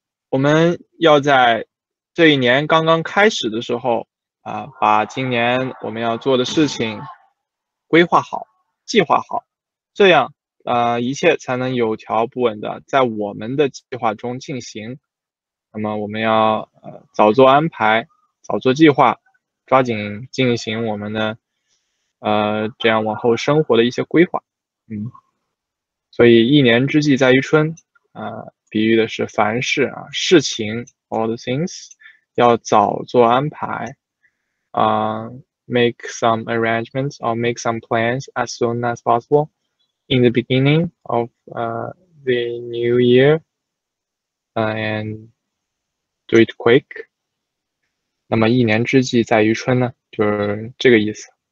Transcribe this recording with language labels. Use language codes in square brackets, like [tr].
[zh] 我们要在这一年刚刚开始的时候把今年我们要做的事情规划好、计划好，这样一切才能有条不紊的在我们的计划中进行。那么我们要早做安排、早做计划，抓紧进行我们的这样往后生活的一些规划。所以一年之计在于春，比喻的是凡事啊，事情， [en] all the things，要早做安排，make some arrangements or make some plans as soon as possible in the beginning of the new year, and do it quick。 [zh] 那么一年之计在于春呢，就是这个意思。